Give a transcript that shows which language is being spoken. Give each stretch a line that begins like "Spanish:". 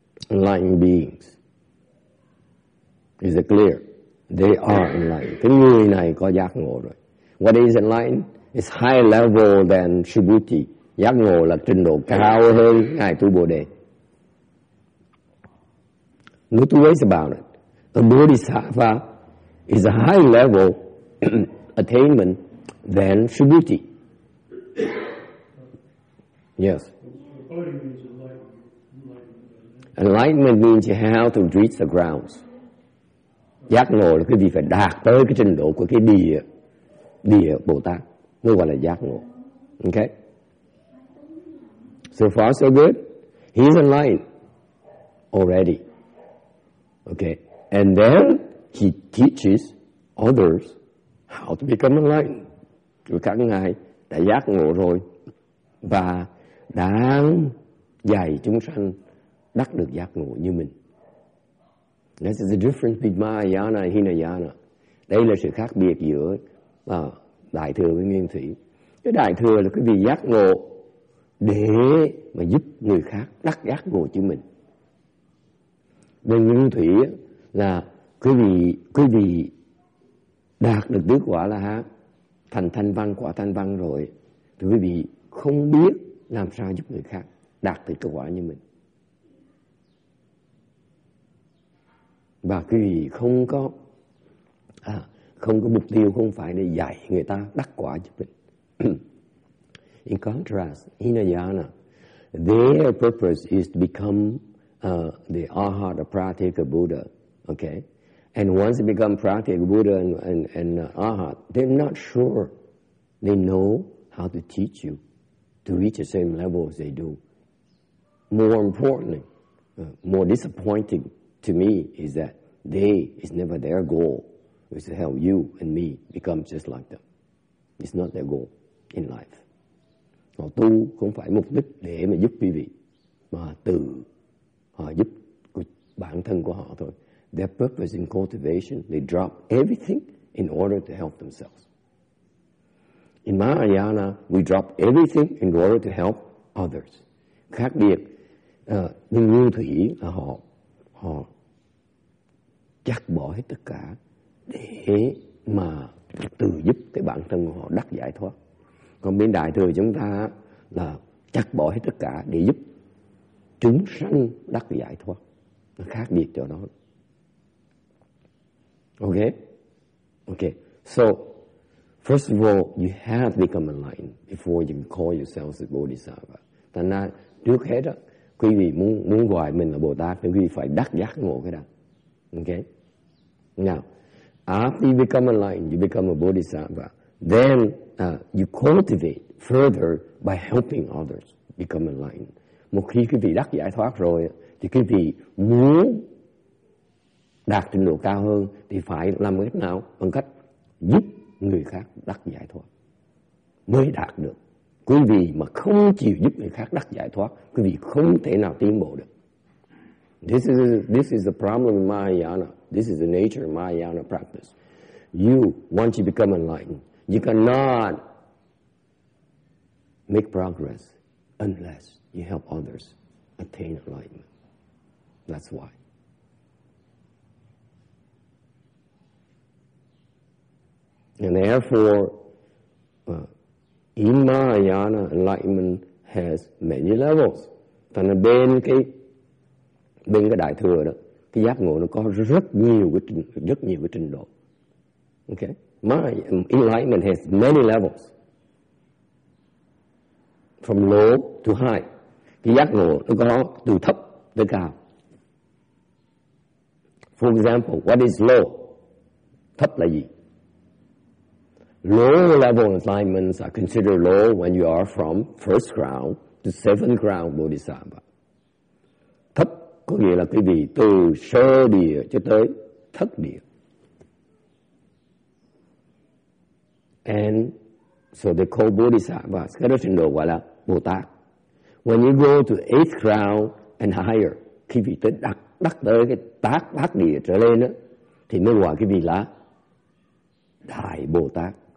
English: Enlightened beings. Is it clear? They are enlightened.
Vietnamese: Cái người này có giác ngộ rồi.
English: What is enlightened? It's higher level than Subhuti.
Vietnamese: Giác ngộ là trình độ cao hơn Ngài Tu Bồ Đề.
English: No two ways about it. A bodhisattva is a higher level attainment than Subhuti. Yes. Enlightenment means you have to reach the grounds.
Vietnamese: Giác ngộ là cái gì, phải đạt tới cái trình độ của cái địa Bồ Tát, nó gọi là giác ngộ.
English: Okay. So far so good. He's enlightened already. Okay. And then he teaches others how to become enlightened.
Vietnamese: Rồi các ngài đã giác ngộ rồi và đang dạy chúng sanh đắc được giác ngộ như mình.
English: This is the difference between Mahayana and Hinayana.
Vietnamese: Đây là sự khác biệt giữa đại thừa với nguyên thủy. Cái đại thừa là cái vị giác ngộ để mà giúp người khác đắc giác ngộ cho mình. Và nguyên thủy là quý vị đạt được tứ quả là thành thanh văn, quả thanh văn rồi, thì quý vị không biết làm sao giúp người khác đạt được kết quả như mình. Và quý vị không có mục tiêu, không phải để dạy người ta đắc quả cho mình.
English: In contrast, Hinayana, their purpose is to become the Arhat or Pratyeka Buddha. Okay? And once they become Pratyeka Buddha and Arhat, they're not sure they know how to teach you to reach the same level as they do. More importantly, more disappointing to me is that it's never their goal, is to help you and me become just like them. It's not their goal in life.
Vietnamese: Họ tu không phải mục đích để mà giúp quý vị, mà tự họ giúp bản thân của họ thôi.
English: Their purpose in cultivation, they drop everything in order to help themselves. In Mahayana, we drop everything in order to help others.
Vietnamese: Khác biệt, nhưng nguyên thủy là họ chắc bỏ hết tất cả để mà tự giúp cái bản thân của họ đắc giải thoát. Còn bên đại thừa chúng ta là chắc bỏ hết tất cả để giúp chúng sanh đắc giải thoát. Nó khác biệt chỗ đó.
English: Okay. So, first of all, you have to become enlightened before you call yourself a bodhisattva.
Vietnamese: Thành ra, trước hết đó, quý vị muốn gọi mình là Bồ Tát, thì quý vị phải đắc giác ngộ cái đó.
English: Okay? Now, after you become enlightened, you become a bodhisattva. Then, you cultivate further by helping others become enlightened.
Vietnamese: Một khi quý vị đắc giải thoát rồi, thì quý vị muốn đạt trình độ cao hơn, thì phải làm cách nào? Bằng cách giúp người khác đắc giải thoát mới đạt được. Quý vị mà không chịu giúp người khác đắc giải thoát, quý vị không thể nào tiến bộ được.
English: This is the problem in Mahayana. This is the nature of Mahayana practice. You, once you become enlightened, you cannot make progress unless you help others attain enlightenment. That's why. And therefore, in Mahayana, enlightenment has many levels.
Vietnamese: Cho nên bên cái đại thừa đó, cái giác ngộ nó có rất nhiều cái trình độ. Okay?
English: My enlightenment has many levels, from low to high.
Vietnamese: Cái giác ngộ nó có từ thấp tới cao.
English: For example, what is low?
Vietnamese: Thấp là gì?
English: Low level enlightenments are considered low when you are from first ground to seventh ground bodhisattva.
Vietnamese: Thấp có nghĩa là quý vị từ sơ địa cho tới thất địa.
English: And so they call bodhisattva,
Vietnamese: cái đó trình độ gọi là Bồ Tát.
English: When you go to eighth ground and higher,
Vietnamese: khi vị tới đắc tới cái tác địa trở lên đó, thì mới gọi cái vị là Đại Bồ Tát.